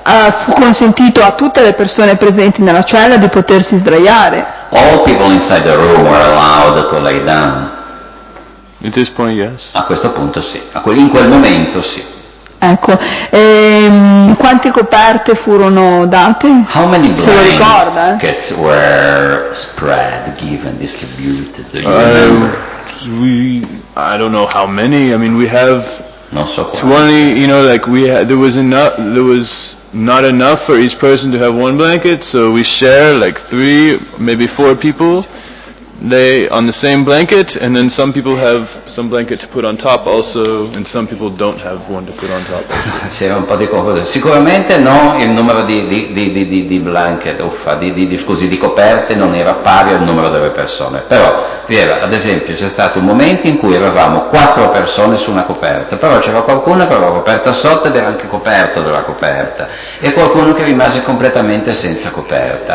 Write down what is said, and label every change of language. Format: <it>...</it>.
<it>Fu consentito a tutte le persone presenti nella cella di potersi sdraiare.</it> <en>All people inside the room were allowed to lay down. At this point, yes.</en> <it>A questo punto sì. In quel momento sì. Ecco. Quante coperte furono date?</it> <en>How many</en> <it>se lo ricorda?</it> <en>Blankets were spread, given, distributed. I don't know how many. I mean, we have. There was not enough for each person to have one blanket, so we share like three, maybe four people lay on the same blanket, and then some people have some blanket to put on top also, and some people don't have one to put on top also.</en> <it>Sì, un po' di confusione. Sicuramente no, il numero di blanket, di coperte non era pari al numero delle persone. Però, ad esempio, c'è stato un momento in cui avevamo quattro persone su una coperta, però c'era qualcuno che aveva coperta sotto ed era anche coperto della coperta, e qualcuno che rimase completamente senza coperta.</it>